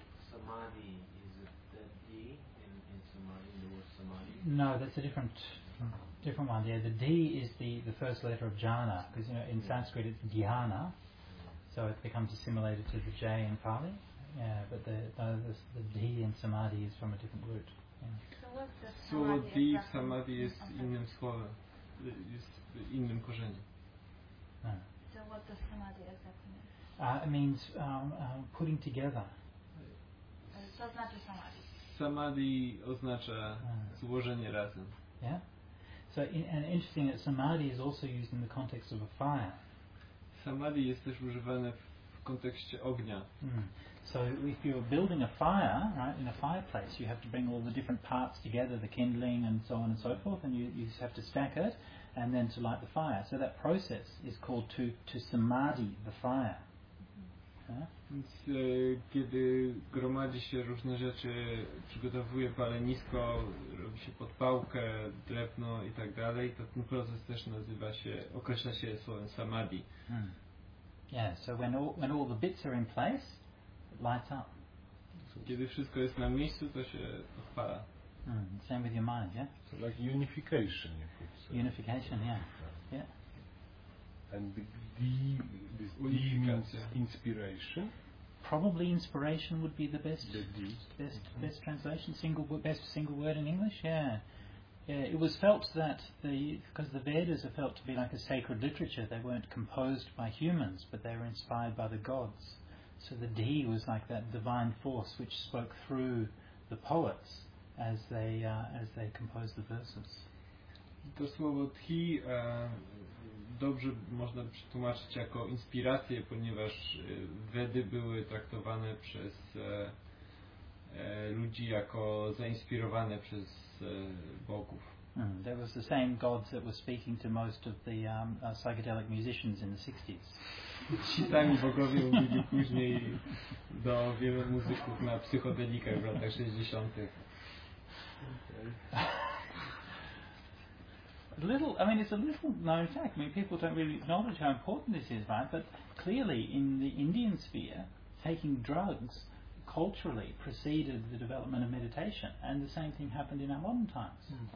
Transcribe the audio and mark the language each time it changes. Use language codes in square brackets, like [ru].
[en] Samadhi, is it that D in Samadhi, the word Samadhi? No, that's a different one. Yeah, the D is the first letter of jhana, because you know in Sanskrit it's dhyana. So it becomes assimilated to the J in Pali, yeah, but the D in Samadhi is from a different root. Yeah. So what's the Samadhi? [pl] Samadhi is innym słowem, jest innym korzeniem. [en] No. So what does Samadhi exactly mean? It means putting together. [pl] Co znaczy Samadhi? Samadhi oznacza złożenie razem. [en] Yeah? So and interesting that Samadhi is also used in the context of a fire. [pl] Samadhi jest też używane w kontekście ognia. [en] So if you're building a fire, right, in a fireplace, you have to bring all the different parts together, the kindling and so on and so forth, and you have to stack it and then to light the fire. So that process is called to samadhi the fire. [pl] Więc kiedy gromadzi się różne rzeczy, przygotowuje palenisko, robi się podpałkę, drewno i tak dalej, to ten proces też określa się słowem samadhi. [en] Yeah, so when all the bits are in place, it lights up. [pl] Kiedy wszystko jest na miejscu, to się odpala. [en] Same with your mind, yeah? So like unification. Unification, yeah. And the D means inspiration. Probably inspiration would be the best. The D. Best translation, best single word in English, yeah. Yeah, it was felt that because the Vedas are felt to be like a sacred literature, they weren't composed by humans, but they were inspired by the gods. So the Dhi was like that divine force which spoke through the poets as they composed the verses. [pl] To słowo Dhi dobrze można przetłumaczyć jako inspirację, ponieważ w Wedy były traktowane przez ludzi jako zainspirowane przez bogów. [en] That was the same God that was speaking to most of the psychedelic musicians in the 60s. [pl] Ci sami bogowie mówili później do wielu muzyków na psychodelikach w latach 60. [en] Little, I mean, it's a little known fact. I mean, people don't really acknowledge how important this is, right? But clearly, in the Indian sphere, taking drugs culturally preceded the development of meditation, and the same thing happened in our modern times.